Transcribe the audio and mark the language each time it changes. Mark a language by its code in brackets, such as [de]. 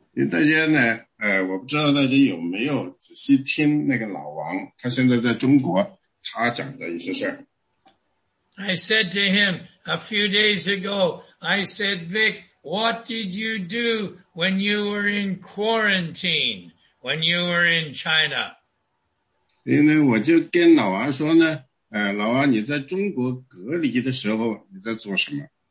[zh] 大家呢，我不知道大家有没有仔细听那个老王，他现在在中国，他讲的一些事儿。 [en] I said to him a few days ago, I said, Vic, what did you do when you were in quarantine, when you were in China? [zh] 因为我就跟老王说呢，老王你在中国隔离的时候你在做什么？